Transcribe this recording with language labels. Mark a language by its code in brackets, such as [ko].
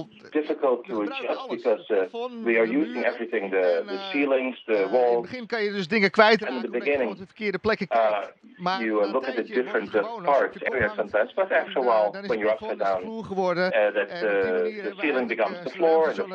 [en] Difficult to adjust because we are using everything, the ceilings, the walls. [nl] In het begin kan je dus dingen kwijtraken, omdat je op de verkeerde plekken kijkt. [en] You look at the different parts, areas sometimes, but after a while, when you're upside down, the ceiling becomes the floor.